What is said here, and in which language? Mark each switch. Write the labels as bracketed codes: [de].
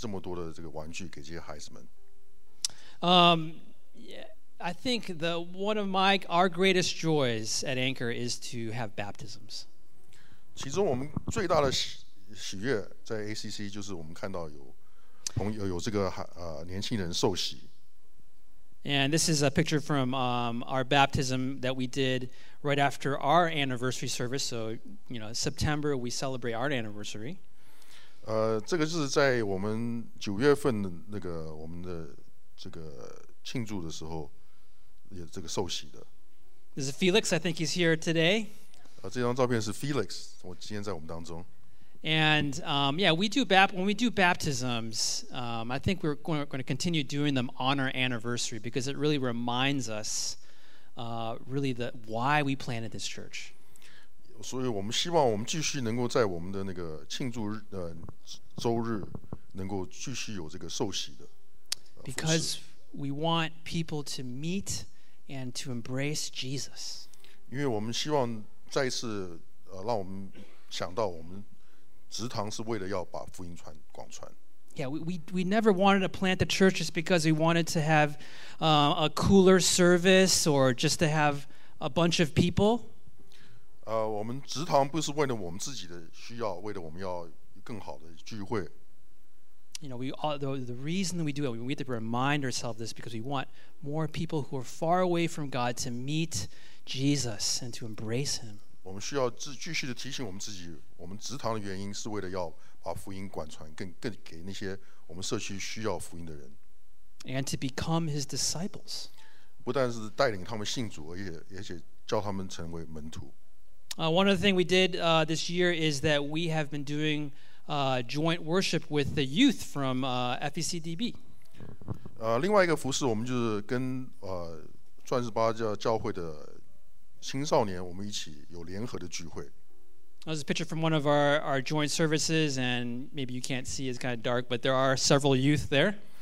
[zh] 是她来带领我们做这个运动，能够收集这么多的这个玩具给这些孩子们。 [en] I think our greatest joys at Anchor is to have baptisms. [zh] 其中我们最大的喜悦在ACC就是我们看到有 有这个年轻人受洗。 [en] And this is a picture from our baptism that we did right after our anniversary service. So, September we celebrate our anniversary. [zh] 这个是在我们9月份的那个我们的这个庆祝的时候也这个受洗的。 [en] This is Felix. I think he's here today. [zh] 这张照片是 Felix. 我今天在我们当中。 [en] And yeah, when we do baptisms, I think we're going to continue doing them on our anniversary because it really reminds us, really the why we planted this church. [zh] 所以我们希望我们继续能够在我们的那个庆祝日周日能够继续有这个受洗的。 [en] Because we want people to meet and to embrace Jesus. [zh] 因为我们希望再次让我们想到我们。职堂是为了要把福音传广传。 [en] Yeah, we never wanted to plant the church just because we wanted to have a cooler service or just to have a bunch of people. [zh] 我们职堂不是为了我们自己的需要，为了我们要更好的聚会。 [en] You know, the reason we do it, we have to remind ourselves this because we want more people who are far away from God to meet Jesus and to embrace Him. [zh] 我们需要继续的提醒我们自己，我们职堂的原因是为了要把福音广传更给那些我们社区需要福音的人。 [en] And to become his disciples. [zh] 不但是带领他们信主，而且教他们成为门徒。 [en] One of the things we did this year is that we have been doing joint worship with the youth from FECDB. [zh] 另外一个服事，我们就是跟钻石八教会的。青少年，我们一起有联合的聚会。 [en] That was a picture from one of our joint services, and maybe you can't see; it's kind of dark, but there are several youth there.